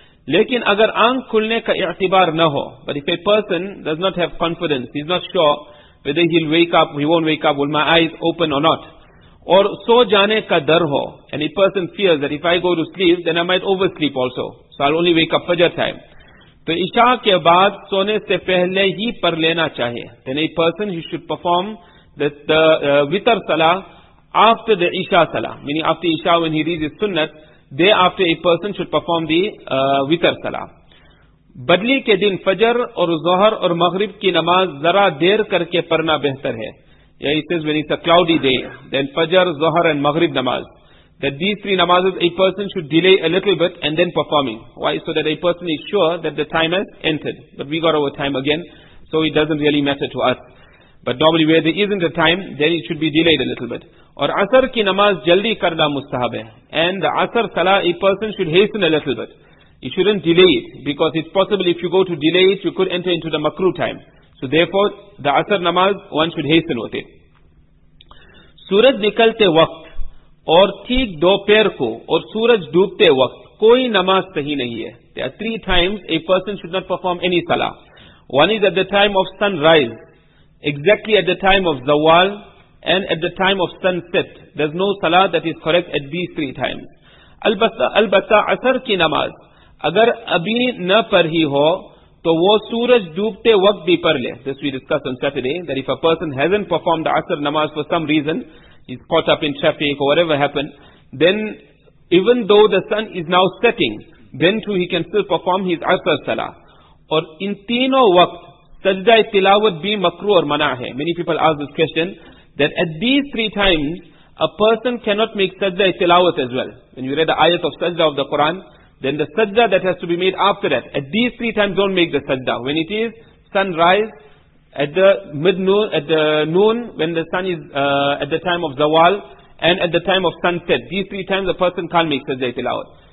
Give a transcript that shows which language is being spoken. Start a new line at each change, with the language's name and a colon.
Urdu: Lekin agar aankh khulne ka i'tibar na ho,
English: but if a person does not have confidence, he's not sure whether he'll wake up, he won't wake up, will my eyes open or not, or
Urdu: so jane ka dar ho,
English: and a person fears that if I go to sleep, then I might oversleep also, so I'll only wake up fajr time,
Urdu: تو عشاء کے بعد سونے سے پہلے ہی پڑھ لینا چاہے.
English: Then a person, he should perform the witr salah after the عشاء salah. Meaning after عشاء when he reads his sunnat, thereafter a person should perform the witr salah.
Urdu: بدلی کے دن فجر اور ظہر اور مغرب کی نماز ذرا دیر کر کے پڑھنا بہتر ہے.
English: Yeah, he says when it's a cloudy day, then فجر, ظہر and مغرب نماز. That these three namazes, a person should delay a little bit and then performing. Why? So that a person is sure that the time has entered. But we got our time again, so it doesn't really matter to us. But normally where there isn't a time, then it should be delayed a little bit.
Urdu: Aur asr ki namaz jaldi karna mustahab hai.
English: And the asr salah, a person should hasten a little bit. You shouldn't delay it, because it's possible if you go to delay it, you could enter into the makruh time. So therefore, the asr namaz, one should hasten with it.
Urdu: Suraj nikalte waqt اور ٹھیک دوپہر کو اور سورج ڈوبتے وقت کوئی نماز صحیح نہیں ہے.
English: There are three times a person should not perform any salah. One is at the time of sunrise, exactly at the time of zawal, and at the time of sunset. There's no salah that is correct at these three times.
Urdu: البتہ عصر کی نماز اگر ابھی نہ پڑھ ہی ہو تو وہ سورج ڈوبتے وقت بھی پڑھ لے.
English: This we discussed on Saturday that if a person hasn't performed the عصر نماز for some reason, he's caught up in traffic or whatever happened, then even though the sun is now setting, then too he can still perform his عصر صلاح.
Urdu: اور ان تینوں وقت سجدہ تلاوت بھی مکروہ اور منع ہے.
English: Many people ask this question that at these three times a person cannot make sajda tilawat as well. When you read the ayat of sajda of the Quran, then the sajda that has to be made after that, at these three times don't make the sajda. When it is sunrise, at the mid-noon, at the noon, when the sun is at the time of zawal, and at the time of sunset, these three times a person can't make sajda tilawat.